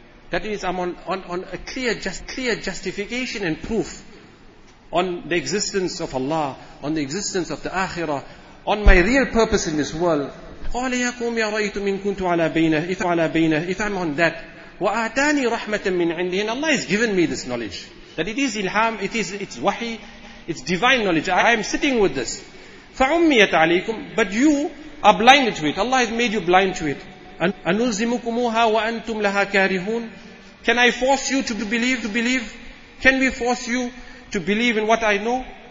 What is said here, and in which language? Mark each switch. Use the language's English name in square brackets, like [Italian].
[English] That means I'm on a clear justification and proof on the existence of Allah, on the existence of the Akhirah, on my real purpose in this world. [Arabic] قَالَ يَا قُومِ أَرَأَيْتُمْ إِن كُنْتُ عَلَى بَيْنَةٍ [English] if I'm on that. [Arabic] وَآتَانِي رَحْمَةً مِّنْ عِنْدِهِ. [English] And Allah has given me this knowledge. That it is ilham, it's wahi, it's divine knowledge. I am sitting with this. [Arabic] فَعُمِّيَتْ عَلَيْكُمْ. [English] But you are blind to it. Allah has made you blind to it. [Arabic] أَنُلْزِمُكُمُوهَا وَأَنْتُمْ لَهَا كَارِهُونَ. [English] Can I force you to believe? Can we force you to believe in what I know?